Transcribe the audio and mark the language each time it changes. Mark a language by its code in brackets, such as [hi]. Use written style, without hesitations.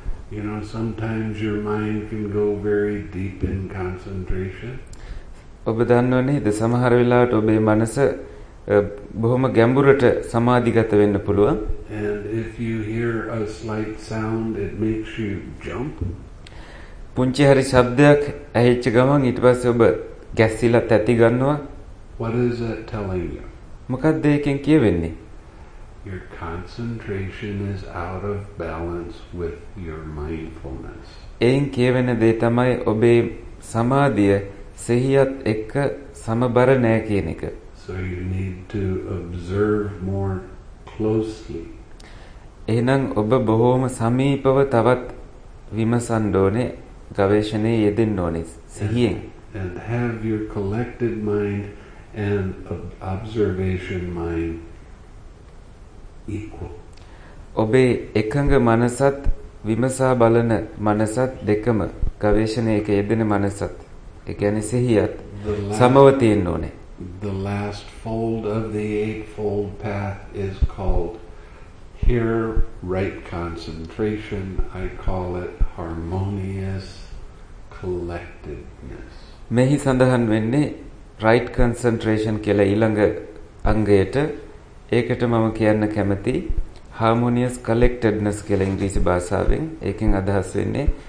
[en] You know, sometimes your mind can go very deep in concentration. [si] ඔබ දන්නවනේ ද සමහර වෙලාවට ඔබේ මනස බොහොම ගැඹුරට සමාධිගත වෙන්න පුළුවන්. [en] And if you hear a slight sound, it makes you jump. [si] පුංචි හරි ශබ්දයක් ඇහිච්ච ගමන් ඊට පස්සේ ඔබ ගැස්සිලා තැති ගන්නවා. [en] What is that telling you? [si] මොකක්ද ඒකෙන් කියවෙන්නේ? [en] Your concentration is out of balance with your mindfulness. [si] එයින් කියවෙන දේ තමයි ඔබේ සමාධිය සිහියත් එක්ක සමබර නැහැ කියන එක. [en] So you need to observe more closely. [si] එහෙනම් ඔබ බොහොම සමීපව තවත් විමසන්න ඕනේ, ගවේෂණයේ යෙදෙන්න ඕනේ සිහියෙන්. [en] And have your collected mind and observation mind equal. [si] ඔබේ එකඟ මනසත් විමසා බලන මනසත් දෙකම, ගවේෂණයක යෙදෙන මනසත්, ඒ කියන්නේ සිහියත් සමව තියෙන්න ඕනේ. [en] The last fold of the eightfold path is called here right concentration. I call it harmonious collectedness. [si] මෙහි සඳහන් වෙන්නේ [en] right concentration [si] කියලා ඊළඟ අංගයට. ඒකට මම කියන්න කැමති [en] harmonious collectedness [si] කියලා ඉංග්‍රීසි භාෂාවෙන්. ඒකෙන් අදහස් වෙන්නේ